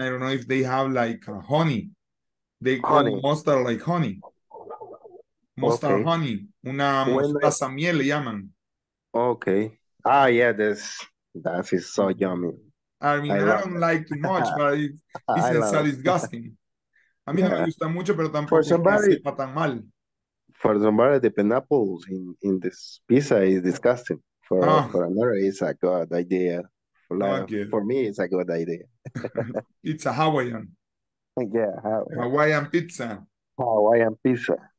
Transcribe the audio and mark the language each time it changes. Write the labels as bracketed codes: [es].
[en] I don't know if they have like honey. They call honey. Mustard like honey. Mustard, okay. Honey. [es] Una mostaza miel le llaman. [en] Okay. Ah, yeah, that is so yummy. I mean, I don't like too much, but it's disgusting. [es] A mí no me gusta mucho, pero tampoco me sepa tan mal. [en] For somebody, the pineapples in this pizza is disgusting. For another, it's a good idea. For me, it's a good idea. It's a Hawaiian. Yeah. Hawaiian pizza. Hawaiian pizza.